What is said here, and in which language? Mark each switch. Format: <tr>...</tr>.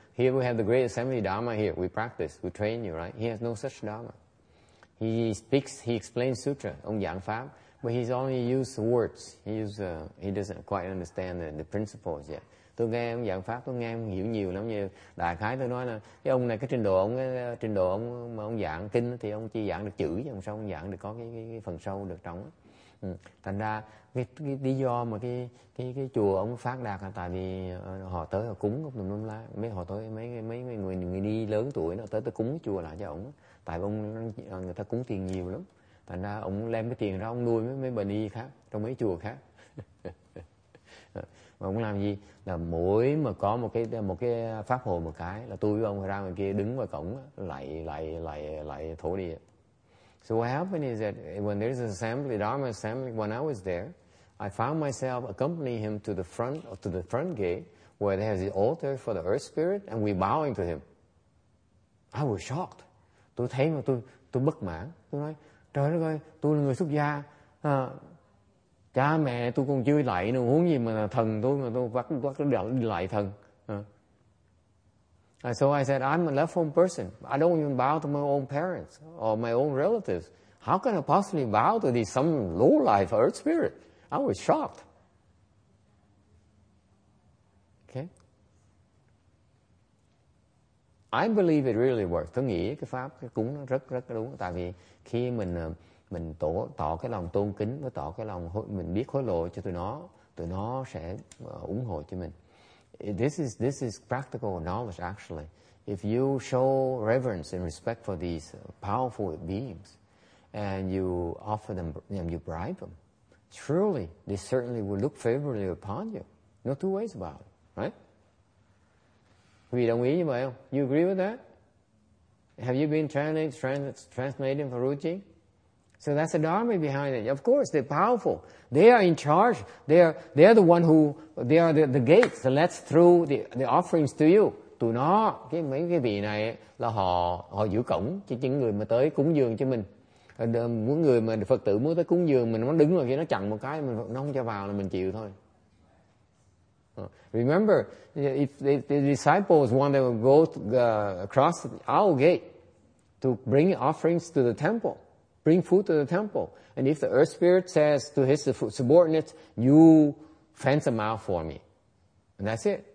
<en>Here we have the great assembly dharma. Here we practice, we train you, right? He has no such dharma. He speaks, he explains sutra,</en> <vi>ông giảng pháp,</vi> <en>but he's only used words. He doesn't quite understand the principles yet.</en> <vi>Tôi nghe ông giảng pháp, tôi nghe ông hiểu nhiều lắm. Như đại khái tôi nói là cái ông này cái trình độ ông mà ông giảng kinh thì ông chỉ giảng được chữ, nhưng sao ông giảng được có cái phần sâu được trống. Thành ra cái lý do mà cái chùa ông phát đạt là tại vì họ tới họ cúng ông tùm lum la, mấy người đi lớn tuổi nó tới cúng chùa lại cho ông. Tại ông người ta cúng tiền nhiều lắm, thành ra ông đem cái tiền ra ông nuôi mấy bà ni khác trong mấy chùa khác. Mà ông làm gì là mỗi mà có một cái pháp hội một cái là tôi với ông ra ngoài kia đứng ngoài cổng lại thổ địa.</vi> <en>So what happened is that when there is an assembly, Dharma assembly, when I was there, I found myself accompanying him to the front or to the front gate where there is the altar for the earth spirit, and we bowing to him. I was shocked.</en> <vi>Tôi thấy mà tôi bất mãn. Tôi nói, trời đất ơi, tôi là người xuất gia. Cha mẹ tôi còn chưa lạy nữa, huống gì mà thần tôi mà tôi bắt đi lạy thần.</vi> <en>So I said, I'm a left-home person. I don't even bow to my own parents or my own relatives. How can I possibly bow to this some low-life earth spirit? I was shocked. I believe it really works.</en> <vi>Tôi nghĩ cái pháp cái cúng nó rất rất đúng. Tại vì khi mình mình tỏ cái lòng tôn kính và tỏ cái lòng mình biết hối lộ cho tụi nó sẽ ủng hộ cho mình.</vi> <en>This is practical knowledge actually. If you show reverence and respect for these powerful beings, and you offer them, and you bribe them, truly, they certainly will look favorably upon you. No two ways about it, right?</en> <vi>Quý vị đồng ý như vậy không?</vi> <en>You agree with that? Have you been translating for Ruchi? So that's the dharma behind it. Of course, they're powerful. They are in charge. They are the one who, they are the gates that lets through the offerings to you.</en> <vi>Tụi nó, mấy cái vị này là họ giữ cổng cho những người mà tới cúng dường cho mình. Muốn người mà Phật tử muốn tới cúng dường mình, nó đứng rồi khi nó chặn một cái, mình nó không cho vào là mình chịu thôi.</vi> <en>Remember, if the disciples want to go across our gate to bring offerings to the temple, bring food to the temple, and if the earth spirit says to his subordinates, you fence them out for me, and that's it.</en>